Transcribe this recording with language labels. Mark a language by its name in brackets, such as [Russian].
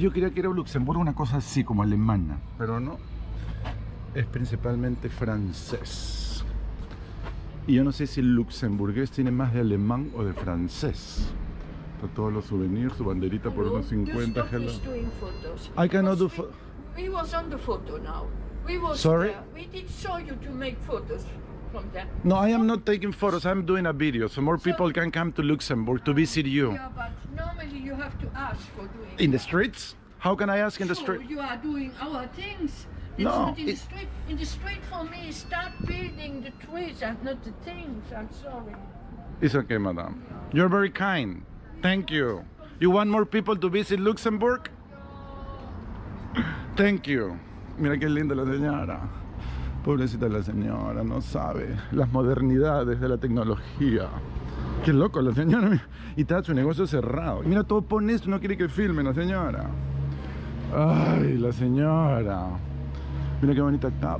[Spanish] Yo quería que era Luxemburgo, una cosa así, como alemana, pero no. Es principalmente francés. Y yo no sé si el luxemburgués tiene más de alemán o de francés. Está todos los souvenirs, su banderita por unos 50. [English] Hello. I cannot do photos. We was on the photo now. We was sorry. There. We did show you to make photos from there. No, I am not taking photos. I'm doing a video so more people can come to Luxembourg to visit you. Yeah, but normally you have to ask for doing. In the streets? How can I ask in the street? You are doing our things. It's no, not in the street. In the street for me, start building the trees and not the things. I'm sorry. It's okay, madame. Yeah. You're very kind. Thank you. You want more people to visit Luxembourg? Thank you. [Spanish] Mira qué linda la señora. Pobrecita la señora, no sabe. Las modernidades de la tecnología. Qué loco la señora. Y está su negocio cerrado. Mira, todo pone esto, no quiere que filmen la señora. Ay, la señora. Mira qué bonita está.